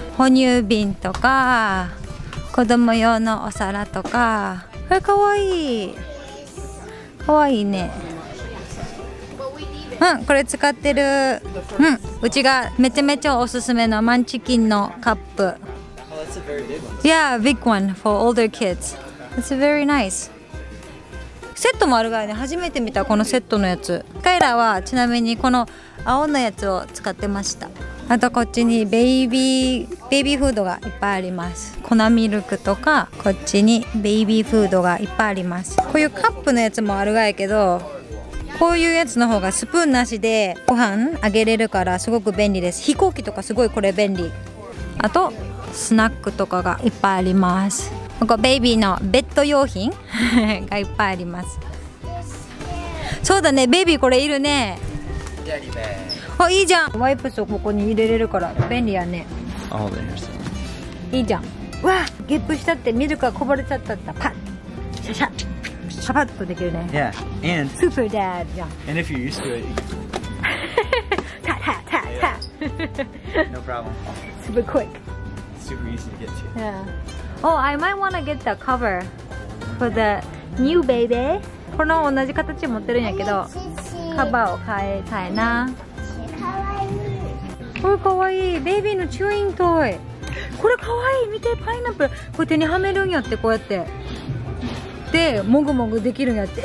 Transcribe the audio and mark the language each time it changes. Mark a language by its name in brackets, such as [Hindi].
[Japanese] 哺乳瓶とか子供用のお皿とか、これかわいい、かわいいね。うん、これ使ってる、うん、うちがめちゃめちゃおすすめのマンチキンのカップ。 [English] Yeah, big one for older kids. It's very nice. [Japanese] セットもあるからね、初めて見たこのセットのやつ。カイラはちなみにこの青のやつを使ってました。あとこっちにベイビーフードがいっぱいあります。粉ミルクとか、こっちにベイビーフードがいっぱいあります。こういうカップのやつもあるがやけど、こういうやつの方がスプーンなしでご飯あげれるからすごく便利です。飛行機とかすごいこれ便利。あとスナックとかがいっぱいあります。ここベイビーのベッド用品がいっぱいあります。そうだね、ベイビーこれいるね。あ、いいじゃん、ワイプスをここに入れれるから便利やね。あ、ほんとに、いいじゃん。うわ、ゲップしたってミルクがこぼれちゃったった。パッシャシャッ、パパッとできるね。 [English] Yeah, and スーパーダッジ。 And if you're used to it, you can タッタッタッタッ。 No problem. Super quick. Super easy to get to. Yeah. Oh, I might wanna get the cover for the new baby. [Japanese] この同じ形持ってるんやけど、カバーを変えたいな。これかわいい、ベイビーのチューイントイ。これかわいい、見て、パイナップル。これ手にはめるんやって、こうやって。で、もぐもぐできるんやって。